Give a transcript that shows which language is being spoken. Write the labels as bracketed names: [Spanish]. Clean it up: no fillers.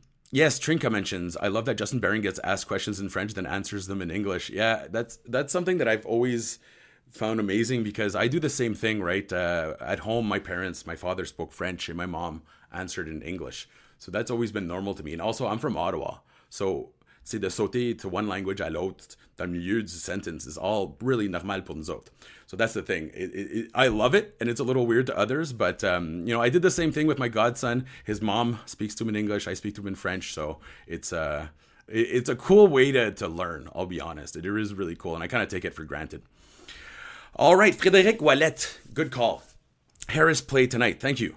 [English] Yes, Trinka mentions, I love that Justin Barron gets asked questions in French, then answers them in English. Yeah, that's something that I've always found amazing because I do the same thing, right? At home, my parents, my father spoke French and my mom answered in English. So that's always been normal to me. And also, I'm from Ottawa. So, [French] c'est de sauter [English] to one language [French] à l'autre, dans le milieu du [English] sentence, is all really normal [French] pour nous autres. [English] So that's the thing. I love it, and it's a little weird to others, but, you know, I did the same thing with my godson. His mom speaks to him in English. I speak to him in French. So it's a cool way to learn, I'll be honest. It is really cool, and I kind of take it for granted. All right, Frédéric Ouellet, good call. Harris play tonight. Thank you.